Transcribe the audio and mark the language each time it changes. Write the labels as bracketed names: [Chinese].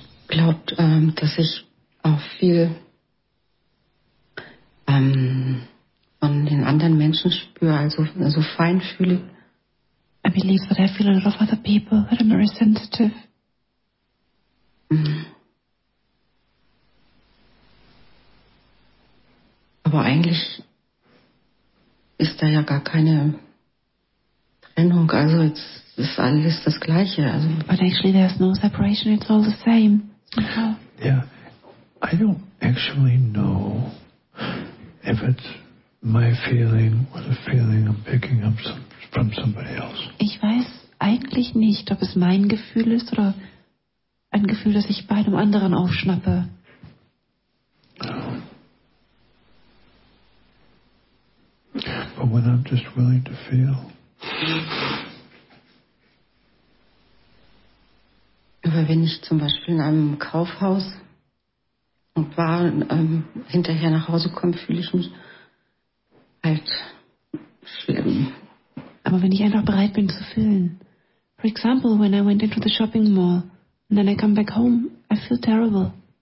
[German] überhaupt, dass ich auch viel von den anderen Menschen spüre, also feinfühlig. [English] I believe that I feel a lot of other people, that I'm very sensitive. [German] Aber eigentlich ist da ja gar keine Trennung, also jetzt ist alles das Gleiche. Also. [English] But actually there's no separation, it's all the same. Somehow. Yeah, I don't actually know if it's my feeling or the feeling I'm picking up from somebody else. [German] Ich weiß eigentlich nicht, ob es mein Gefühl ist oder ein Gefühl, das ich bei einem anderen aufschnappe. [English] But when I'm just willing to feel. [German] Aber wenn ich zum Beispiel in einem Kaufhaus war und hinterher nach Hause komme, fühle ich mich halt schlimm. Aber wenn ich einfach bereit bin zu fühlen. [English] For example, when I went into the shopping mall and then I come back home, I feel terrible.